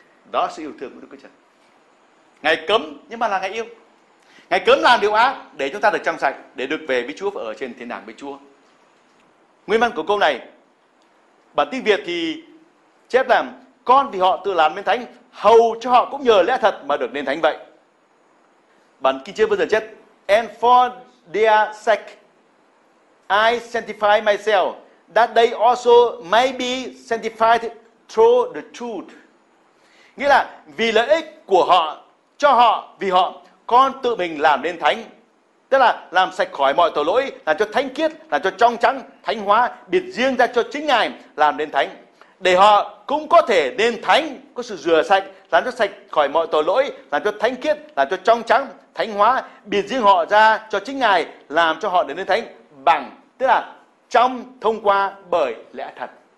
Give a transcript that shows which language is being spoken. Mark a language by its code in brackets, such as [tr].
[vi] Đó là sự yêu thương của Đức Chúa Trời. Ngài cấm nhưng mà là Ngài yêu. Ngài cấm làm điều ác để chúng ta được trong sạch, để được về với Chúa và ở trên thiên đàng với Chúa. Nguyên văn của câu này bản tiếng Việt thì chép làm: con thì họ tự làm nên thánh, hầu cho họ cũng nhờ lẽ thật mà được nên thánh vậy. Bản kinh chép vừa chép: [en] and for their sake I sanctify myself, that they also may be sanctified through the truth. [vi] Nghĩa là vì lợi ích của họ, cho họ, vì họ, con tự mình làm nên thánh. Tức là làm sạch khỏi mọi tội lỗi, làm cho thánh khiết, làm cho trong trắng, thánh hóa, biệt riêng ra cho chính Ngài, làm nên thánh. Để họ cũng có thể nên thánh, có sự rửa sạch, làm cho sạch khỏi mọi tội lỗi, làm cho thánh khiết, làm cho trong trắng, thánh hóa, biệt riêng họ ra cho chính Ngài, làm cho họ để nên thánh bằng, tức là trong, thông qua, bởi lẽ thật.